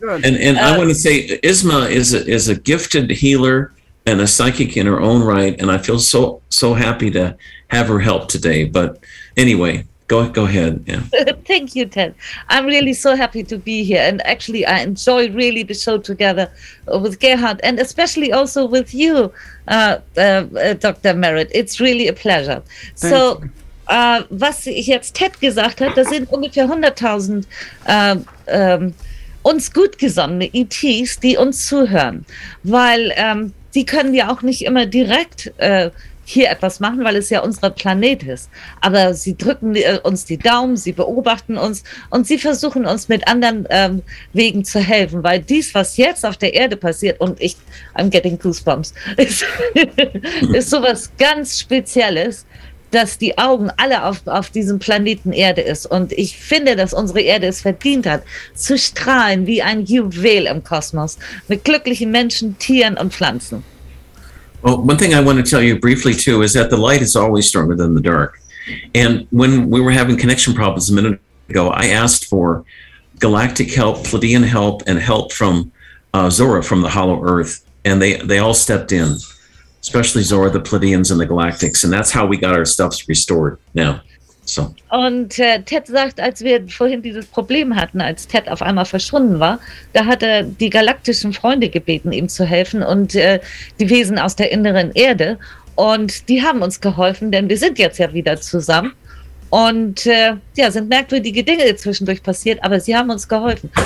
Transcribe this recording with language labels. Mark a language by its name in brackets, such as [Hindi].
[English] And I want to say Isma is a gifted healer and a psychic in her own right, and I feel so happy to have her help today. But anyway, go ahead. Yeah. Thank you, Ted. I'm really so happy to be here, and actually I enjoy really the show together with Gerhard, and especially also with you, Dr. Merritt. It's really a pleasure. [German] Was jetzt Ted gesagt hat, da sind ungefähr 100.000 uns gut gesonnene ETs, die uns zuhören, weil die können ja auch nicht immer direkt hier etwas machen, weil es ja unser Planet ist, aber sie drücken uns die Daumen, sie beobachten uns und sie versuchen uns mit anderen Wegen zu helfen, weil dies, was jetzt auf der Erde passiert, und [English] I'm getting goosebumps, [German] ist sowas ganz Spezielles, dass die Augen alle auf diesem Planeten Erde ist. Und ich finde, dass unsere Erde es verdient hat, zu strahlen wie ein Juwel im Kosmos mit glücklichen Menschen, Tieren und Pflanzen. [English] Well, one thing I want to tell you briefly too is that the light is always stronger than the dark. And when we were having connection problems a minute ago, I asked for galactic help, Pleiadian help, and help from Zora from the Hollow Earth. And they all stepped in. Especially Zora, the Pleiadians and the Galactics. And that's how we got our stuff restored now. So. [German] Und Ted sagt, als wir vorhin dieses Problem hatten, als Ted auf einmal verschwunden war, da hat er die galaktischen Freunde gebeten, ihm zu helfen und die Wesen aus der inneren Erde. Und die haben uns geholfen, denn wir sind jetzt ja wieder zusammen. Und sind merkwürdige Dinge zwischendurch passiert, aber sie haben uns geholfen.